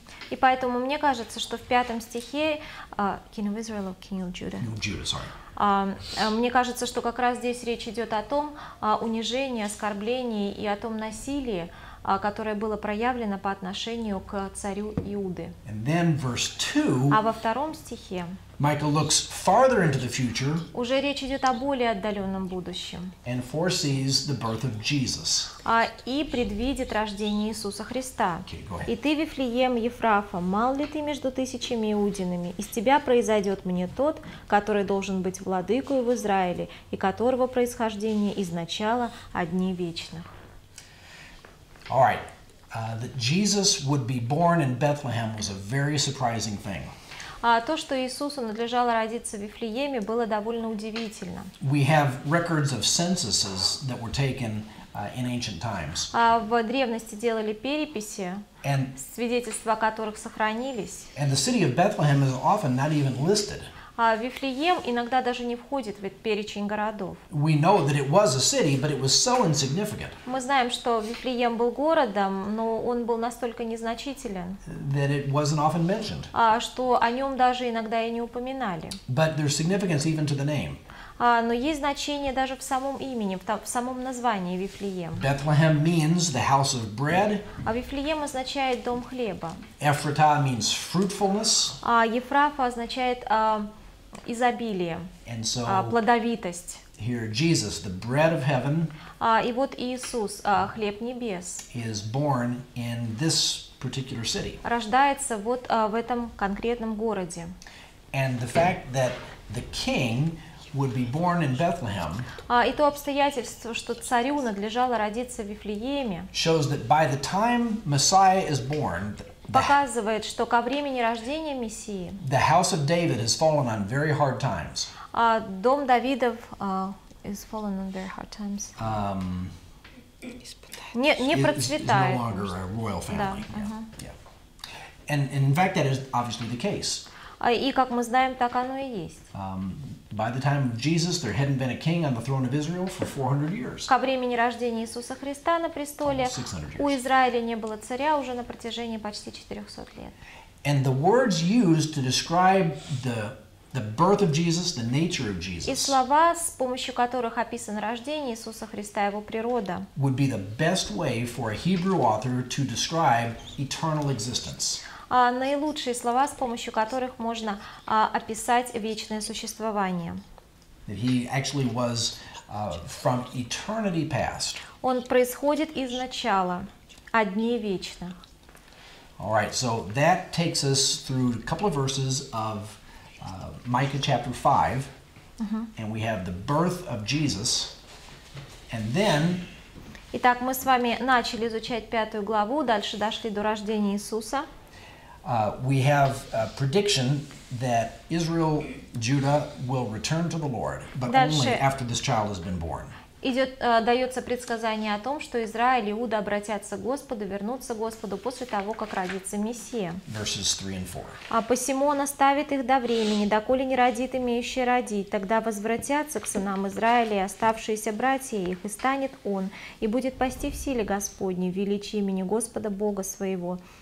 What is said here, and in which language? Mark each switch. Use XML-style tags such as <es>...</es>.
<ru>И поэтому мне кажется, что в пятом стихе</ru> <en>king of Israel or king of Judah. King of Judah, sorry.</en> <ru>Мне кажется, что как раз здесь речь идет о том унижении, оскорблении и о том насилии, которое было проявлено по отношению к царю Иуды.</ru> <en>And then verse 2.</en> <ru>А во втором стихе</ru> <en>Michael looks farther into the future.</en> <ru>Уже речь идет о более отдаленном будущем.</ru> <en>And foresees the birth of Jesus.</en> <ru>И предвидит рождение Иисуса Христа.</ru> <en>Okay, go ahead.</en> <ru>И ты, Вифлеем Ефрафа, мал ли ты между тысячами иудинами? Из тебя произойдет мне тот, который должен быть владыкою в Израиле, и которого происхождение из начала одни вечных.</ru> <en>All right. That Jesus would be born in Bethlehem was a very surprising thing.</en> <ru>То, что Иисусу надлежало родиться в Вифлееме, было довольно удивительно.</ru> <en>We have records of censuses that were taken in ancient times.</en> <ru>В древности делали переписи, свидетельства о которых сохранились.</ru> <en>And the city of Bethlehem is often not even listed.</en> <ru>Вифлеем иногда даже не входит в перечень городов.</ru> <en>We know that it was a city, but it was so insignificant.</en> <ru>Мы знаем, что Вифлеем был городом, но он был настолько незначителен.</ru> <en>That it wasn't often mentioned.</en> <ru>Что о нем даже иногда и не упоминали.</ru> <en>But there's significance even to the name.</en> <ru>Но есть значение даже в самом имени, в самом названии Вифлеем.</ru> <en>Bethlehem means the house of bread.</en> <ru>Вифлеем означает дом хлеба.</ru> <en>Ephrata means fruitfulness.</en> <ru>Ефрафа означает изобилие,</ru> <en>and so,</en> <ru>плодовитость.</ru> <en>Here Jesus, the bread of heaven,</en> <ru>и вот Иисус, хлеб небес,</ru> <en>is born in this particular city.</en> <ru>Рождается вот в этом конкретном городе.</ru> <en>And the fact that the king would be born in Bethlehem.</en> <ru>И то обстоятельство, что царю надлежало родиться в Вифлееме,</ru> <en>shows that by the time Messiah is born,</en> <ru>показывает, что ко времени рождения Мессии,</ru> <en>the house of David has fallen on very hard times.</en> <ru>Дом Давидов</ru> <en>is fallen on very hard times.</en> <ru>Не процветает.</ru> <en>It's no longer a royal family.</en> <ru>Да.</ru> <en>And in fact, that is obviously the case.</en> <ru>И как мы знаем, так оно и есть.</ru> <en>By the time of Jesus, there hadn't been a king on the throne of Israel for 400 years.</en> <ru>Ко времени рождения Иисуса Христа на престоле у Израиля не было царя уже на протяжении почти 400 лет.</ru> <en>And the words used to describe the birth of Jesus, the nature of Jesus.</en> <ru>И слова, с помощью которых описано рождение Иисуса Христа, его природа.</ru> <en>Would be the best way for a Hebrew author to describe eternal existence.</en> <ru>Наилучшие слова, с помощью которых можно описать вечное существование.</ru> <en>That he actually was from eternity past.</en> <ru>Он происходит из начала, от дней вечных.</ru> <en>All right, so that takes us through a couple of verses of Micah chapter 5. Uh-huh. And we have the birth of Jesus. And then...</en> <ru>Итак, мы с вами начали изучать пятую главу, дальше дошли до рождения Иисуса.</ru> <en>We have a prediction that Israel, Judah will return to the Lord, but</en> <ru>дальше...</ru> <en>only after this child has been born.</en> <ru>Дается предсказание о том, что Израиль и Иуда обратятся к Господу, вернутся к Господу после того, как родится Мессия.</ru> <en>Verses 3 and 4.</en> <ru>А посему он оставит их до времени, доколе не родит имеющий родить, тогда возвратятся к сынам Израиля и оставшиеся братья их, и станет он, и будет пасти в силе Господней, в величии имени Господа Бога своего.</ru>